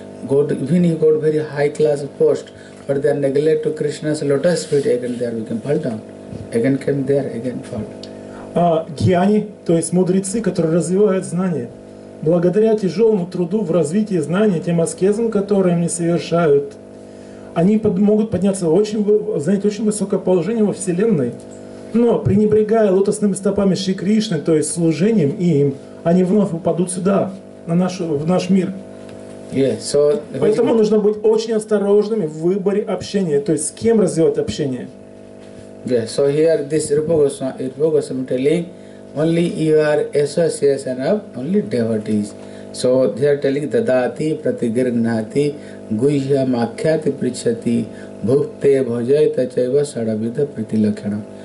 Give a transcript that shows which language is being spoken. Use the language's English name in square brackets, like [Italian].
[English] Even he got very high class post, but they are neglect to Krishna's lotus feet, again they are become fall down. Again came there, again fall. [Russian] Гьяни, то есть мудрецы, которые развивают знания. Благодаря тяжелому труду в развитии знания, тем аскезам, которые они совершают, они могут подняться занять очень высокое положение во Вселенной. Но пренебрегая лотосными стопами Шри Кришны, то есть служением им, они вновь упадут сюда, в наш мир. [English] Yeah, so, [Russian] поэтому нужно быть очень осторожными в выборе общения, то есть с кем развивать общение. [English] Yeah, so here this Rupa Goswami telling, only you are association of only devotees. So they are telling, [Sanskrit] dadati pratigirnati guhya makhyati prichati bhukte bhajayata chaiva sadavidha pritilakhyana.